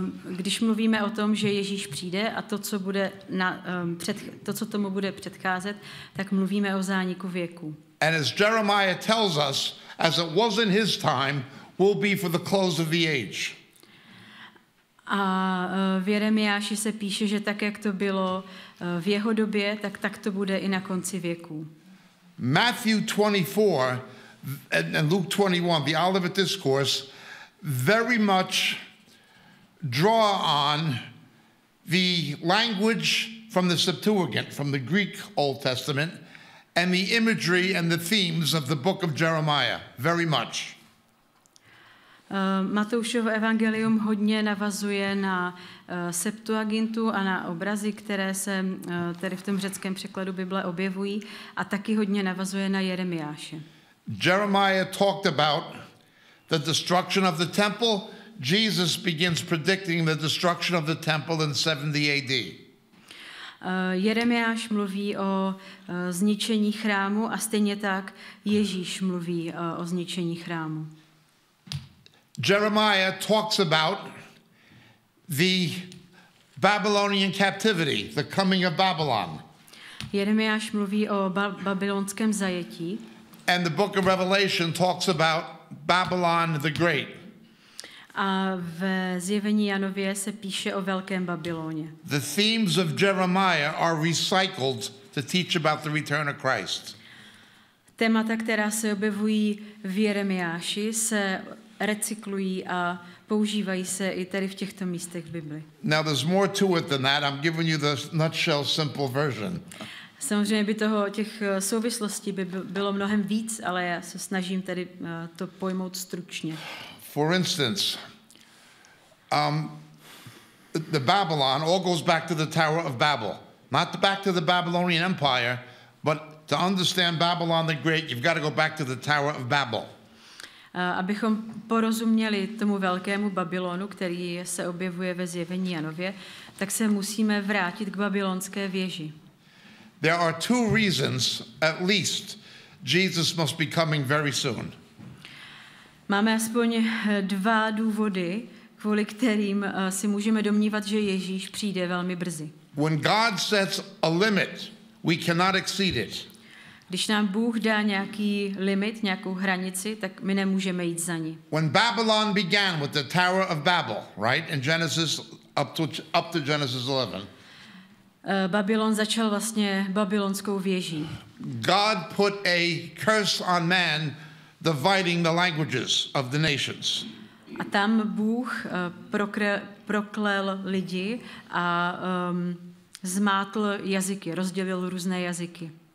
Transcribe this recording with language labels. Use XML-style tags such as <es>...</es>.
<cs>Když mluvíme o tom, že Ježíš přijde a to, co bude to, co tomu bude předcházet, tak mluvíme o zániku věku.</cs> <en>And as Jeremiah tells us, as it was in his time, will be for the close of the age.</en> <cs>A v Jeremiáši se píše, že tak jak to bylo v jeho době, tak to bude i na konci věku.</cs> <en>Matthew 24 and Luke 21, the Olivet Discourse, very much draw on the language from the Septuagint, from the Greek Old Testament, and the imagery and the themes of the book of Jeremiah, very much.</en> <cs>Matoušovo evangelium hodně navazuje na Septuagintu a na obrazy, které se tady v tom řeckém překladu Bible objevují a taky hodně navazuje na Jeremiáše.</cs> <en>Jeremiah talked about the destruction of the temple. Jesus begins predicting the destruction of the temple in 70 AD.</en> <cs>Jeremiáš mluví o zničení chrámu a stejně tak Ježíš mluví o zničení chrámu.</cs> <en>Jeremiah talks about the Babylonian captivity, the coming of Babylon.</en> <cs>Jeremiáš mluví o babylonském zajetí.</cs> <en>And the book of Revelation talks about Babylon the Great.</en> <cs>A v Zjevení Janově se píše o velkém Babyloně.</cs> <en>The themes of Jeremiah are recycled to teach about the return of Christ.</en> <cs>Témata, která se objevují v Jeremiáši, se recyklují a používají se i tady v těchto místech Bibli.</cs> <en>Now there's more to it than that. I'm giving you the nutshell simple version.</en> <cs>Samozřejmě by toho těch souvislostí by bylo mnohem víc, ale já se snažím tady to pojmout stručně.</cs> <en>For instance, the Babylon all goes back to the Tower of Babel. Not back to the Babylonian Empire, but to understand Babylon the Great, you've got to go back to the Tower of Babel.</en> <cs>Abychom porozuměli tomu velkému Babylonu, který se objevuje ve zjevení Janově, tak se musíme vrátit k babylonské věži.</cs> <en>There are two reasons, at least, Jesus must be coming very soon.</en> <cs>Máme aspoň dva důvody, kvůli kterým si můžeme domnívat, že Ježíš přijde velmi brzy.</cs> <en>When God sets a limit, we cannot exceed it.</en> <cs>Když nám Bůh dá nějaký limit, nějakou hranici, tak my nemůžeme jít za ní.</cs> <en>When Babylon began with the Tower of Babel, right, in Genesis up to Genesis 11.</en> <cs>Babylon začal vlastně babylonskou věží.</cs> <en>God put a curse on man dividing the languages of the nations.</en> <cs>A tam Bůh proklel lidi a zmátl jazyky, rozdělil různé jazyky.</cs>